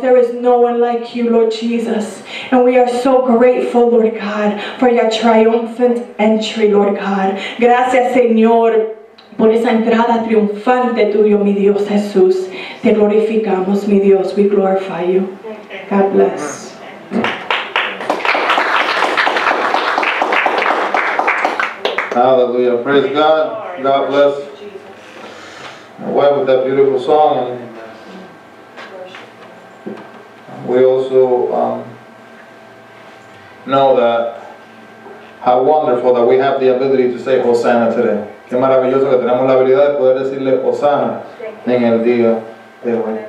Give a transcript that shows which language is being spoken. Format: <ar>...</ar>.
<en>There is no one like you, Lord Jesus. And we are so grateful, Lord God, for your triumphant entry, Lord God.</en> <es>Gracias, Señor, por esa entrada triunfante tuya, mi Dios Jesús. Te glorificamos, mi Dios.</es> <en>We glorify you. God bless. Hallelujah. Praise God. God bless. Why, with that beautiful song, and we also know that how wonderful that we have the ability to say Hosanna today.</en> <es>Qué maravilloso que tenemos la habilidad de poder decirle Hosanna en el día de hoy.</es>